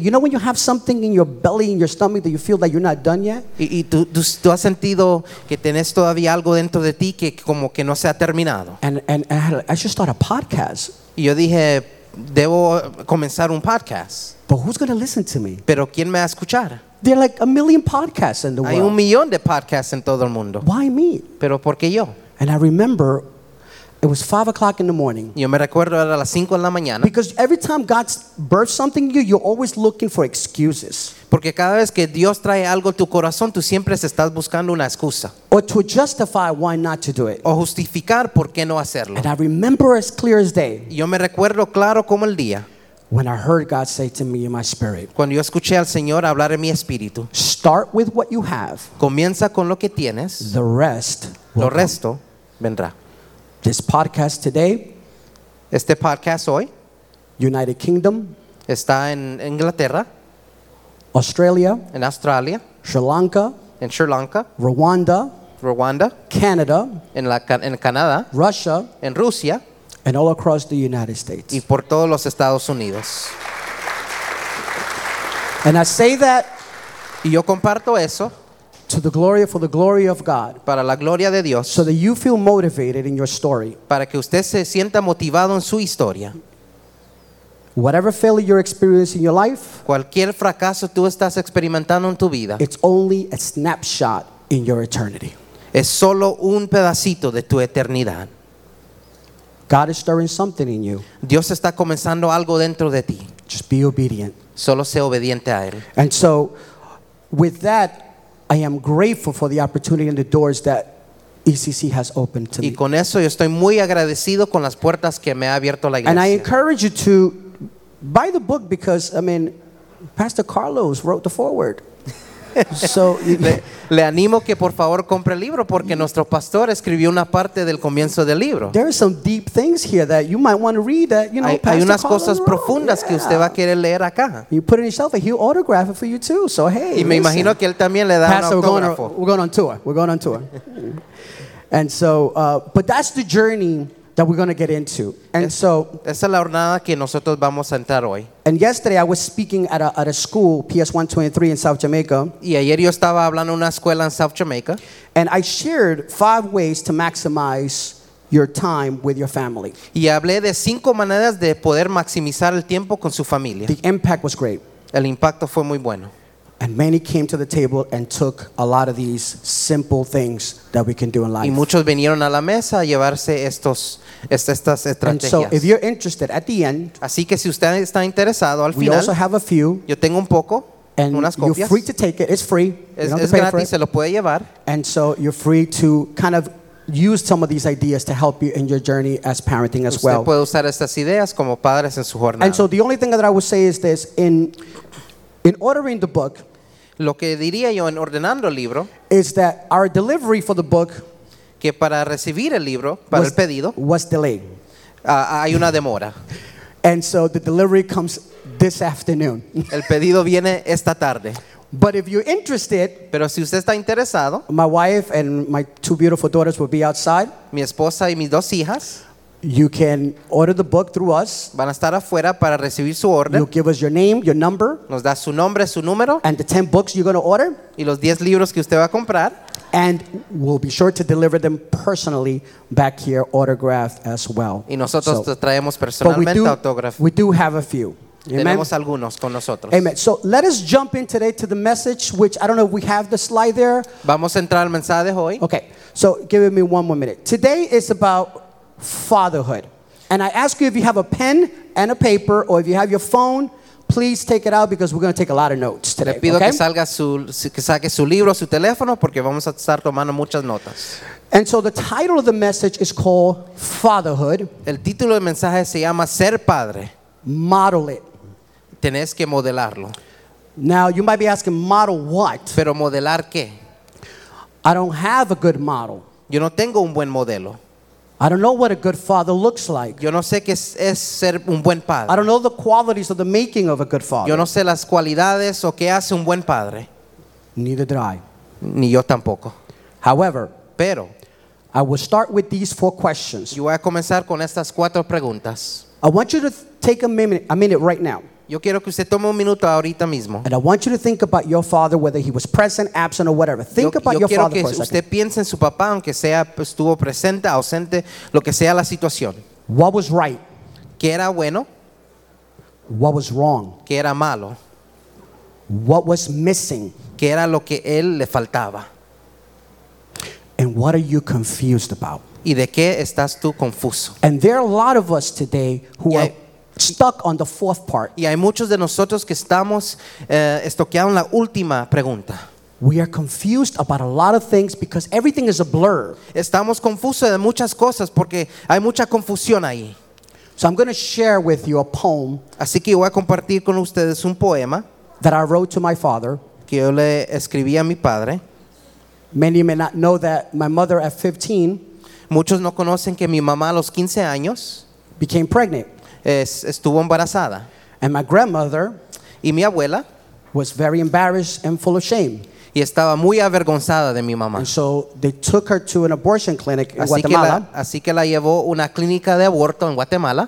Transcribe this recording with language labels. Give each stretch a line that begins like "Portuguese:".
English: You know when you have something in your belly, in your stomach, that you feel that you're not done yet?
Spanish: Y tú has sentido que tenés todavía algo dentro de ti que como que no se ha terminado.
English: And I should start a podcast.
Spanish: Y yo dije, debo comenzar un podcast.
English: But who's going to listen to me?
Spanish: Pero ¿quién me va a escuchar?
English: There are like a million podcasts in the
Spanish: Hay Hay un millón de podcasts en todo el mundo.
English: Why me?
Spanish: Pero ¿por qué yo?
English: And I remember, it was 5 o'clock in the morning.
Spanish: Yo me recuerdo era las 5 de la mañana.
English: Because every time God births something in you, you're always looking for excuses.
Spanish: Porque cada vez que Dios trae algo a tu corazón, tú siempre estás buscando una excusa.
English: Or to justify why not to do it.
Spanish: O justificar por qué no hacerlo.
English: And I remember as clear as day.
Spanish: Yo me recuerdo claro como el día.
English: When I heard God say to me in my spirit.
Spanish: Cuando yo escuché al Señor hablar en mi espíritu.
English: Start with what you have.
Spanish: Comienza con lo que tienes.
English: The rest.
Spanish: Lo resto vendrá.
English: This podcast today,
Spanish: este podcast hoy,
English: United Kingdom,
Spanish: está en Inglaterra,
English: Australia,
Spanish: en Australia,
English: Sri Lanka,
Spanish: en Sri Lanka,
English: Rwanda,
Spanish: Rwanda,
English: Canada,
Spanish: en Canadá,
English: Russia,
Spanish: en Rusia,
English: and all across the United States,
Spanish: y por todos los Estados Unidos.
English: And I say that,
Spanish: y yo comparto eso,
English: to the glory for the glory of God.
Spanish: Para la gloria de Dios.
English: So that you feel motivated in your story.
Spanish: Para que usted se sienta motivado en su historia.
English: Whatever failure you're experiencing in your life.
Spanish: Cualquier fracaso tú estás experimentando en tu vida.
English: It's only a snapshot in your eternity.
Spanish: Es solo un pedacito de tu eternidad.
English: God is stirring something in you.
Spanish: Dios está comenzando algo dentro de ti.
English: Just be obedient.
Spanish: Solo sé obediente a él.
English: And so, with that, I am grateful for the opportunity and the doors that ECC has opened to me.
Spanish: Y con eso yo estoy muy agradecido con las puertas que me ha abierto la iglesia.
English: And I encourage you to buy the book because, I mean, Pastor Carlos wrote the foreword. So,
Spanish: le animo que por favor compre el libro porque nuestro pastor escribió una parte del comienzo del libro.
English: There are some deep things here that you might want to read. That you know,
Spanish: hay, hay unas cosas profundas que usted va a querer leer acá.
English: You put it yourself, and he'll autograph it for you too. So hey.
Spanish: Y me imagino que él también le da pastor, un autógrafo.
English: We're going on tour. And so, but that's the journey that we're going to get into. And so,
Spanish: esa es la jornada que nosotros vamos a entrar hoy.
English: And yesterday I was speaking at a school, PS123 in South Jamaica.
Spanish: Y ayer yo estaba hablando en una escuela en South Jamaica.
English: And I shared 5 ways to maximize your time with your family.
Spanish: Y hablé de 5 maneras de poder maximizar el tiempo con su familia.
English: The impact was great.
Spanish: El impacto fue muy bueno.
English: And many came to the table and took a lot of these simple things that we can do in life.
Spanish: Y muchos vinieron a la mesa a llevarse estas estrategias.
English: And so if you're interested, at the end,
Spanish: así que si usted está interesado, al
English: we
Spanish: final,
English: also have a few.
Spanish: Yo tengo un poco,
English: and
Spanish: unas copias.
English: You're free to take it. It's free.
Spanish: Es gratis, se lo puede llevar.
English: And so you're free to kind of use some of these ideas to help you in your journey as parenting as
Spanish: usted
English: well.
Spanish: Puede usar estas ideas como padres en su jornada.
English: And so the only thing that I would say is this, in ordering the book,
Spanish: lo que diría yo en ordenando el libro,
English: is that our delivery for the book,
Spanish: que para recibir el libro, para el pedido,
English: was delayed.
Spanish: Hay una demora.
English: And so the delivery comes this afternoon.
Spanish: El pedido viene esta tarde.
English: But if you're interested,
Spanish: pero si usted está interesado,
English: my wife and my 2 beautiful daughters will be outside.
Spanish: Mi esposa y mis 2 hijas.
English: You can order the book through us.
Spanish: Van a estar afuera para recibir su orden.
English: You give us your name, your number.
Spanish: Nos da su nombre, su número.
English: And the 10 books you're going to order.
Spanish: Y los 10 libros que usted va a comprar.
English: And we'll be sure to deliver them personally back here, autographed as well.
Spanish: Y nosotros so, traemos personalmente autógrafo.
English: We do have a few.
Spanish: Amen. Tenemos algunos con nosotros. Amen.
English: So let us jump in today to the message, which I don't know if we have the slide there.
Spanish: Vamos a entrar al mensaje de hoy.
English: Okay. So give me one more minute. Today is about fatherhood. And I ask you if you have a pen and a paper or if you have your phone, please take it out because we're going to take a lot of notes today.
Spanish: Le pido
English: okay?
Spanish: que salga su, que saque su libro, su teléfono porque vamos a estar tomando muchas notas.
English: And so the title of the message is called Fatherhood.
Spanish: El título del mensaje se llama Ser Padre.
English: Model it.
Spanish: Tenés que modelarlo.
English: Now you might be asking, model what?
Spanish: Pero modelar qué?
English: I don't have a good model.
Spanish: Yo no tengo un buen modelo.
English: I don't know what a good father looks like.
Spanish: Yo no sé qué es ser un buen padre.
English: I don't know the qualities or the making of a good father.
Spanish: Yo no sé las cualidades o qué hace un buen padre.
English: Neither do I.
Spanish: Ni yo tampoco.
English: However,
Spanish: pero,
English: I will start with these 4 questions.
Spanish: Yo voy a comenzar con estas 4 preguntas.
English: I want you to take a minute right now.
Spanish: Yo quiero que usted tome un minuto ahorita mismo.
English: And I want you to think about your father, whether he was present, absent, or whatever. Think
Spanish: yo,
English: about
Spanish: yo
English: your father for a second.
Spanish: Yo quiero que usted piense en su papá, aunque sea estuvo presente, ausente, lo que sea la situación.
English: What was right?
Spanish: ¿Qué era bueno?
English: What was wrong?
Spanish: ¿Qué era malo?
English: What was missing?
Spanish: ¿Qué era lo que él le faltaba?
English: And what are you confused about?
Spanish: ¿Y de qué estás tú confuso?
English: And there are a lot of us today who are stuck on the 4th part.
Spanish: Y hay muchos de nosotros que estamos estoqueados en la última pregunta.
English: We are confused about a lot of things because everything is a blur.
Spanish: Estamos confusos de muchas cosas porque hay mucha confusión ahí.
English: So I'm going to share with you a poem.
Spanish: Así que voy a compartir con ustedes un poema
English: that I wrote to my father.
Spanish: Que yo le escribí a mi padre.
English: Many may not know that my mother at 15.
Spanish: Muchos no conocen que mi mamá a los 15 años
English: became pregnant.
Spanish: Estuvo embarazada.
English: And my grandmother,
Spanish: y mi abuela,
English: was very embarrassed and full of shame.
Spanish: Y estaba muy avergonzada de mi mamá.
English: And so they took her to an abortion clinic in
Spanish: así
English: Guatemala.
Spanish: Así que la llevó una clínica de aborto en Guatemala.